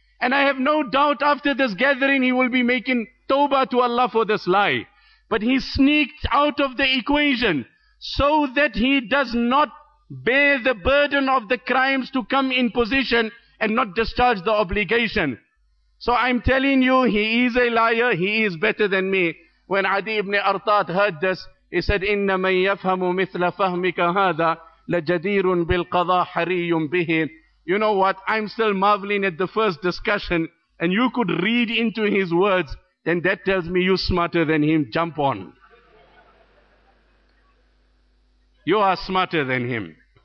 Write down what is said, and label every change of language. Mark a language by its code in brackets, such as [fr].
[en] And I have no doubt after this gathering he will be making tawbah to Allah for this lie. But he sneaked out of the equation so that he does not bear the burden of the crimes to come in position and not discharge the obligation. So I'm telling you, he is a liar, he is better than me. When Adi ibn Artat heard this, he said, [ar] إِنَّ مَنْ يَفْهَمُ مِثْلَ فَهْمِكَ هَذَا لَجَدِيرٌ بِالْقَضَى حَرِيٌّ بِهِ. [en] You know what, I'm still marveling at the first discussion, and you could read into his words, then that tells me you're smarter than him, jump on. You are smarter than him.